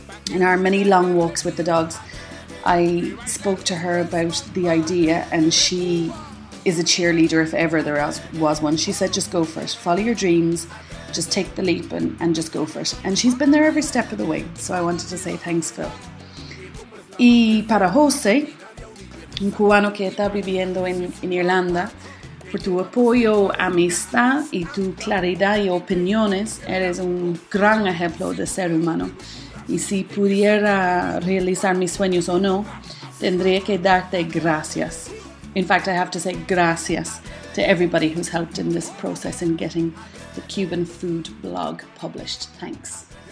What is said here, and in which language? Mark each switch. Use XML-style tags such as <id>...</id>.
<en>In our many long walks with the dogs, I spoke to her about the idea, and she is a cheerleader if ever there was one. She said, "Just go for it, follow your dreams, just take the leap and just go for it." And she's been there every step of the way, so I wanted to say thanks, Phil.</en> <es>Y para José, un cubano que está viviendo en Irlanda, por tu apoyo, amistad y tu claridad y opiniones, eres un gran ejemplo de ser humano. Y si pudiera realizar mis sueños o no, tendría que darte gracias.</es> <en>In fact, I have to say gracias to everybody who's helped in this process in getting the Cuban food blog published. Thanks.</en>